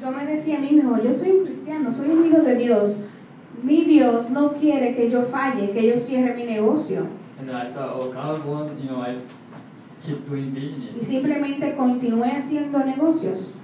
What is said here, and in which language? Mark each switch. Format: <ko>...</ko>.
<es>Yo me decía a mí mismo, yo soy un cristiano, soy un hijo de Dios, mi Dios no quiere que yo falle, que yo cierre mi negocio.</es> <en>And I thought, oh, God won, keep doing business.</en> <es>Y simplemente continué haciendo negocios.</es>